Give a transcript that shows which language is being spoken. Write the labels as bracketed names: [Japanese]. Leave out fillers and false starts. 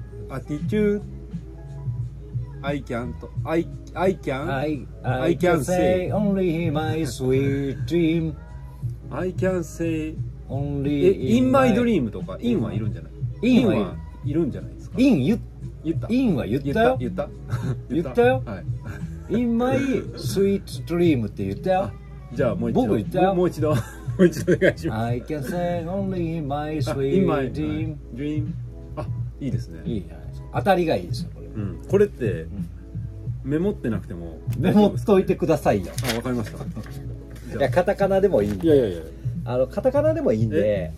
[English] アティチュード、I can't, I can't, I can't say only my sweet dream。 I can't say only in my dream [Japanese] とか、 [English] in [Japanese] はいるんじゃない、 [English] in [Japanese] はいるんじゃないですか。 in 言った、 [English] in [Japanese] は言ったよ、言った言ったよ、はい、 [English] In my sweet dream [Japanese] って言ったよ。じゃあもう一度。僕言ったよ。もう一度お願いします。 [English] I can say only in my sweet in my dream. Dream。 [Japanese] あ、いいですね。いいじゃないですか。当たりがいいですよ。これ。うん、これって、うん、メモってなくても、ね。メモっといてくださいよ。あ、わかりました。いや、カタカナでもいいんで。いやいやいや。あのカタカナでもいいんで。